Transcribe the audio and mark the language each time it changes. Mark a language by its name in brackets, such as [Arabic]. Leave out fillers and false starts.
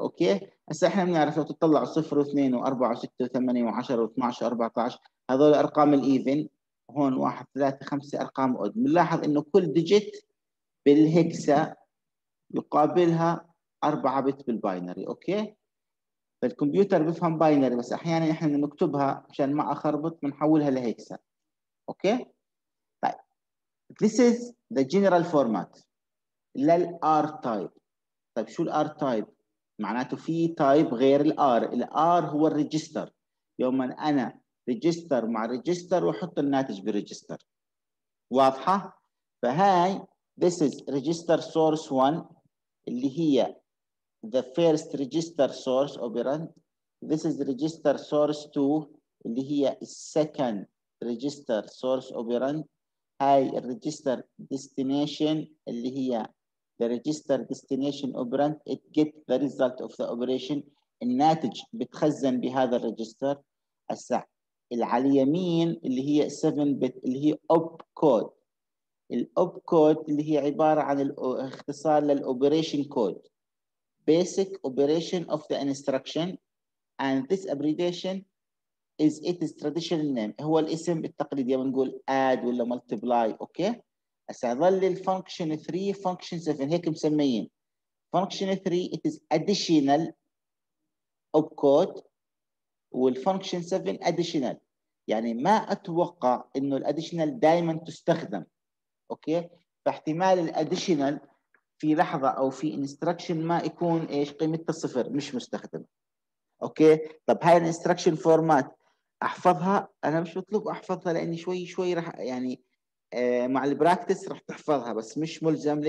[Arabic] أوكي؟ هسا إحنا بنعرف لو تطلع 0 و2 و4 و6 و8 و10 و12 و14 هذول أرقام الإيفن، هون 1 3 5 أرقام أود. بنلاحظ إنه كل ديجيت بالهكسا يقابلها 4 بت بالباينري. أوكي؟ فالكمبيوتر بيفهم باينري، بس أحيانا إحنا نكتبها عشان ما أخربط بنحولها لهكسا. أوكي؟ طيب [English] This is the general format للR type. [Arabic] طيب شو الR type؟ معناته في تايب غير الار. الار هو الريجستر، يوما انا ريجستر مع ريجستر واحط الناتج بالريجستر. واضحه؟ فهاي [English] this is register source 1 [Arabic] اللي هي [English] the first register source operand. This is register source 2 [Arabic] اللي هي [English] second register source operand. [Arabic] هاي الريجستر [English] destination [Arabic] اللي هي [English] the register destination operand. It get the result of the operation. [Arabic] الناتج بتخزن بهذا الريجستر. هسا على اليمين اللي هي 7 bit اللي هي opcode. الopcode اللي هي عبارة عن اختصار للoperation code. [English] Basic operation of the instruction. And this abbreviation is its traditional name. [Arabic] هو الاسم التقليدي، يعني نقول add ولا multiply. [English] Okay. [Arabic] هسا ظل الفانكشن 3 فانكشن 7 هيك مسميين. [English] function 3 it is additional opcode، [Arabic] والفانكشن 7 [English] additional. [Arabic] يعني ما اتوقع انه الاديشنال دائما تستخدم. اوكي؟ فاحتمال الاديشنال في لحظه او في انستراكشن ما يكون ايش قيمتها صفر، مش مستخدم. اوكي؟ طب هاي الانستراكشن فورمات احفظها؟ انا مش مطلوب احفظها، لاني شوي شوي راح يعني مع البراكتس راح تحفظها، بس مش ملزم.